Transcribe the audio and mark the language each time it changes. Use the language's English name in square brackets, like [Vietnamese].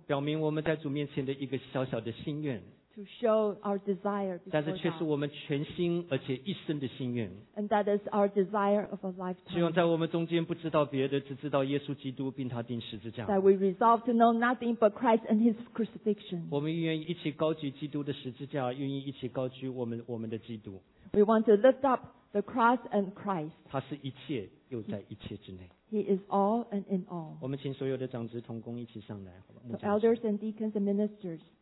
[Chinese] 表明我们在主面前的一个小小的心愿。 [English] To show our desire before God. [Chinese] 但是却是我们全心而且一生的心愿。 [English] And that is our desire of a lifetime. [Chinese] 希望在我们中间不知道别的，只知道耶稣基督并他钉十字架。 [English] That we resolve to know nothing but Christ and His crucifixion. [Chinese] 我们愿意一起高举基督的十字架，愿意一起高举我们的基督。 [English] We want to lift up the cross and Christ. [Chinese] 他是一切又在一切之内。 [English] He is all and in all. [Chinese] 我们请所有的长职同工一起上来。 [English] So elders and deacons and ministers.